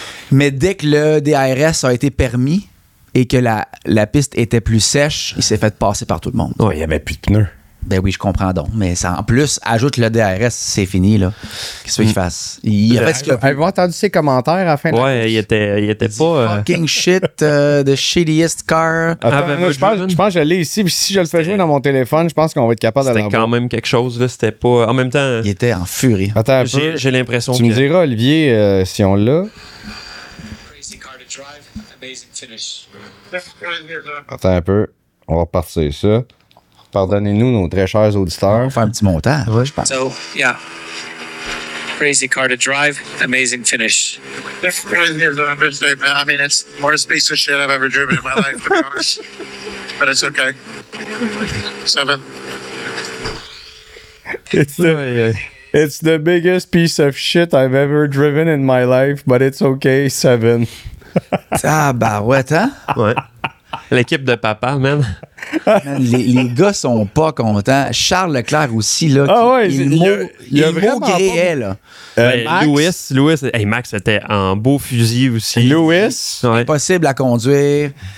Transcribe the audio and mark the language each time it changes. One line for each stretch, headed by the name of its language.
French: Mais dès que le DRS a été permis et que la piste était plus sèche, il s'est fait passer par tout le monde. Oh, il n'y avait plus de pneus. Ben oui, je comprends donc. Mais ça, en plus, ajoute le DRS, c'est fini, là. Qu'est-ce qu'il fasse? Avez-vous entendu ses commentaires à la fin de la course? Ouais, il était pas...
English: Fucking shit, the shittiest car.
French: Je pense que je l'ai ici, puis si je le fais jouer dans mon téléphone, je pense qu'on va être capable d'aller. C'était quand même quelque chose, là. C'était pas... En même temps... Il était en furie. Attends un peu. J'ai l'impression que... Tu me diras, Olivier, si on l'a.
English: Crazy car to drive, amazing finish.
French: Attends un peu. On va repartir ça. Pardonnez-nous, nos très chers auditeurs. On va faire un petit montage, ouais, je pense.
English: So, yeah. Crazy car to drive, amazing finish. This is the understatement. I mean, it's more space of shit I've ever driven in my life, to be honest. but it's okay. Seven. It's the biggest piece of shit I've ever driven in my life, but it's okay, seven.
French: Tabarouette, hein? Ouais. L'équipe de papa, man. Man, les gars sont pas contents. Charles Leclerc aussi, là. Ah oh, ouais, il est beau gréé, pas... là. Max, Lewis. Hey, Max était en beau fusil aussi. Lewis. Ouais. Impossible à conduire.